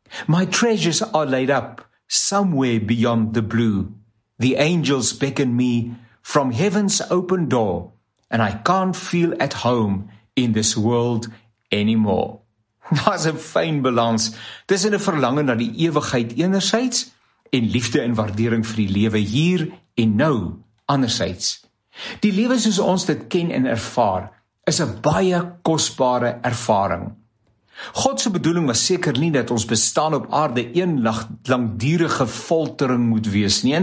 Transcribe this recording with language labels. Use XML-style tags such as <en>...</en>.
<en>My treasures are laid up somewhere beyond the blue. The angels beckon me from heaven's open door, and I can't feel at home in this world anymore."</en> <af>Daar's 'n fyn balans tussen 'n verlange na die ewigheid enerzijds en liefde en waardering vir die lewe hier en nou anderzijds. Die lewe soos ons dit ken en ervaar, is 'n baie kosbare ervaring. God se bedoeling was seker nie dat ons bestaan op aarde een langdurige foltering moet wees nie.</af>